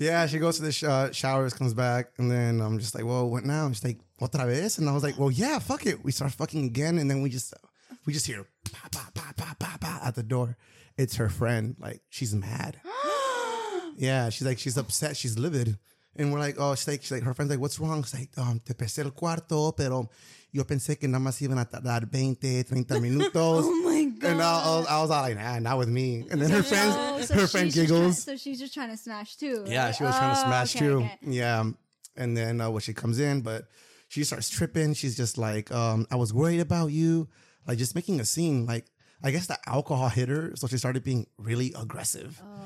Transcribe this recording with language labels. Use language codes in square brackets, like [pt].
[en] Yeah, she goes to the showers, comes back, and then I'm just like, well, what now? And she's like, [es] otra vez? [en] And I was like, well, yeah, fuck it. We start fucking again, and then we just hear pa pa pa pa pa pa at the door. It's her friend. Like, she's mad. Yeah, she's like, she's upset, she's livid. And we're like, oh, she's like, her friend's like, what's wrong? She's like, [es] te pesé el cuarto, pero yo pensé que nada más iban a tardar 20, 30 minutos. [en] Oh my God. And I was all like, nah, not with me. And then her friend giggles. So she's just trying to smash too. Yeah, she was trying to smash too. Okay. Yeah. And then she comes in, but she starts tripping. She's just like, I was worried about you. Like, just making a scene. Like, I guess the alcohol hit her. So she started being really aggressive.